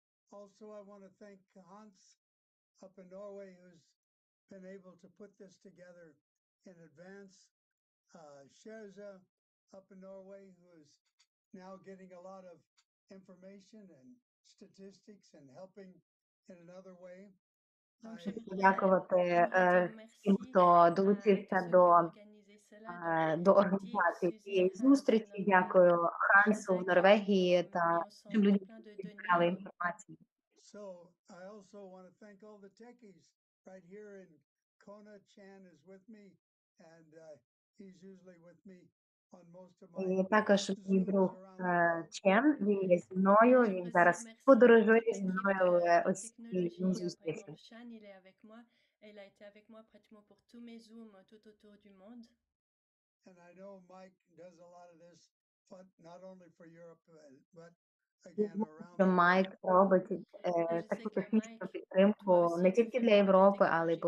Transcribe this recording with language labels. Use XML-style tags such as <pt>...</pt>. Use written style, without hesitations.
<en>Also, I want to thank Hans up in Norway, who's been able to put this together in advance. Sherza up in Norway, who is now getting a lot of information and statistics and helping in another way.</en> <uk>Дякувати всім, хто долучився до організації цієї зустрічі. Дякую Хансу в Норвегії та всім людям, які відправили інформацію.</uk> <en>So, I also want to thank all the techies right here in Kona. Chan is with me, and he's usually with me on most of my...</en> <uk>Також мій друг Чен, він є зі мною, він зараз подорожує зі мною ось зустрічі.</uk> <fr>Chan, il est avec moi, elle a été avec moi pratiquement pour tous mes zooms tout autour du monde.</fr> <en>And I know Mike does a lot of this, but not only for Europe, but</en> <uk>Майк робить таку технічну підтримку не тільки для Європи, але й по</uk>